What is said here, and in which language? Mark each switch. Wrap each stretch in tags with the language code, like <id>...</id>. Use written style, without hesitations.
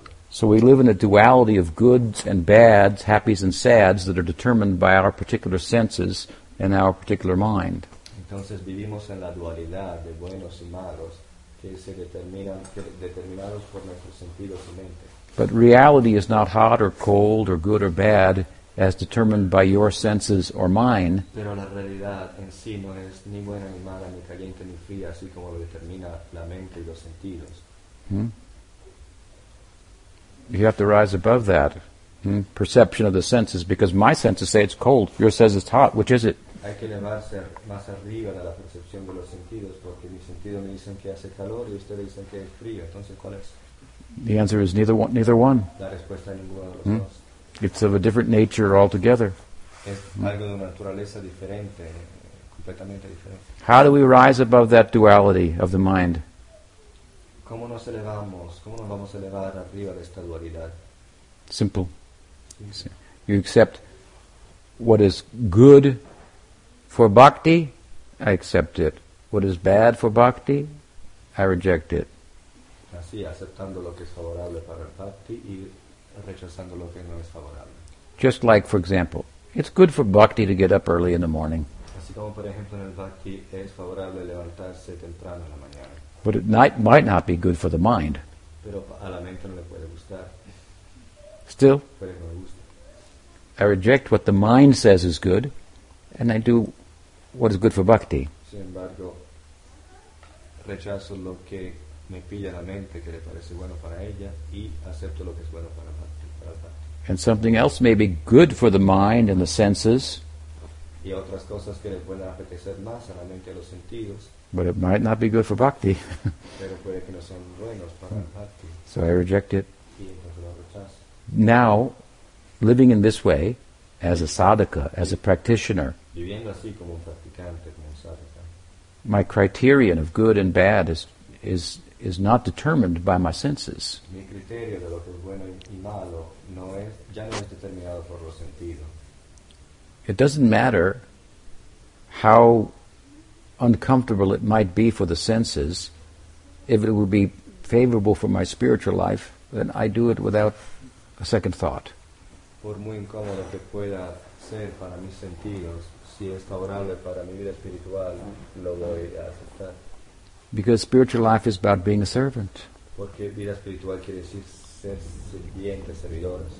<en>So we live in a duality of goods and bads, happies and sads, that are determined by our particular senses and our particular mind.</en> <es>Entonces vivimos en la dualidad de buenos y malos que se determinan determinados por nuestros sentidos y mente.</es> <en>But reality is not hot or cold or good or bad as determined by your senses or mine.</en> <es>Pero la realidad en sí no es ni buena ni mala ni caliente ni fría así como lo determina la mente y los sentidos.</es> <en>You have to rise above that. Perception of the senses, because my senses say it's cold, yours says it's hot, which is it?</en> <es>Hay que elevarse más arriba de la percepción de los sentidos, porque mis sentidos me dicen que hace calor y ustedes dicen que es frío. Entonces, ¿cuál es?</es> <en>The answer is neither one.</en> <es>La respuesta es ninguno de los dos.</es> <en>It's of a different nature altogether.</en> <es>Es algo de una naturaleza diferente, completamente diferente.</es> <en>How do we rise above that duality of the mind?</en> <es>¿Cómo nos elevamos? ¿Cómo nos vamos a elevar arriba de esta dualidad?</es> <en>Simple. You accept what is good for bhakti, I accept it. What is bad for bhakti, I reject it.</en> <es>Así, aceptando lo que es favorable para el bhakti y rechazando lo que no es favorable.</es> <en>Just like, for example, it's good for bhakti to get up early in the morning.</en> <es>Así como, por ejemplo, en el bhakti es favorable levantarse temprano en la mañana.</es> <en>But it might not be good for the mind.</en> <es>Pero a la mente no le puede gustar.</es> <en>Still,</en> <es>pero no le gusta.</es> <en>I reject what the mind says is good, and I do what is good for bhakti.</en> <es>Sin embargo, rechazo lo que me pilla la mente que le parece bueno para ella y acepto lo que es bueno para bhakti.</es> <en>And something else may be good for the mind and the senses.</en> <es>Y otras cosas que le pueden apetecer más a la mente y a los sentidos.</es> <en>But it might not be good for bhakti.</en> <es>Pero puede que no sean buenos para bhakti.</es> <en>So I reject it.</en> <es>Y entonces lo rechazo.</es> <en>Now, living in this way, as a sadhaka, as a practitioner,</en> <es>viviendo así como un practicante, como un sadhaka,</es> <en>my criterion of good and bad is not determined by my senses.</en> <es>Mi criterio de lo que es bueno y malo no es, ya no es determinado por los sentidos.</es> <en>It doesn't matter how uncomfortable it might be for the senses, if it would be favorable for my spiritual life, then I do it without a second thought.</en> <es>Por muy incómodo que pueda ser para mis sentidos, si es favorable para mi vida espiritual, lo voy a aceptar.</es> <en>Because spiritual life is about being a servant.</en> <es>Porque vida espiritual quiere decir ser sirvientes, servidores.</es>